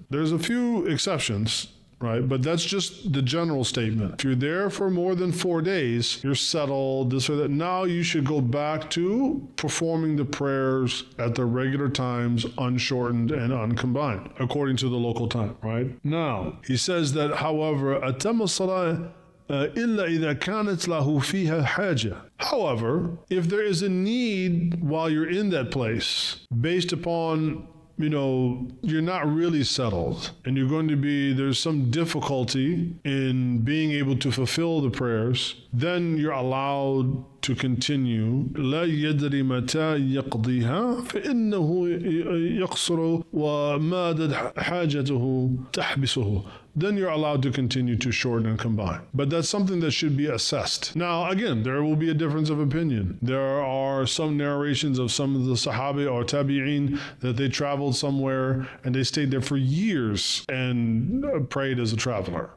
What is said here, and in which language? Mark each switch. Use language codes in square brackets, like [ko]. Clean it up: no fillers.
[en] There's a few exceptions, right? But that's just the general statement. If you're there for more than 4 days, you're settled, this or that, now you should go back to performing the prayers at the regular times, unshortened and uncombined, according to the local time, right? Now, he says that, however, [ar] أَتَمَّ الصَّلَاةَ إِلَّا إِذَا كَانَتْ لَهُ فِيهَا حَاجَةٌ. [en] However, if there is a need while you're in that place, based upon, you know, you're not really settled and you're going to be, there's some difficulty in being able to fulfill the prayers, then you're allowed to continue. [ar] لا يدري متى يقضيها فإنه يقصر وما دد حاجته تحبسه. [en] Then you're allowed to continue to shorten and combine. But that's something that should be assessed. Now, again, there will be a difference of opinion. There are some narrations of some of the Sahabi or Tabi'in that they traveled somewhere and they stayed there for years and prayed as a traveler.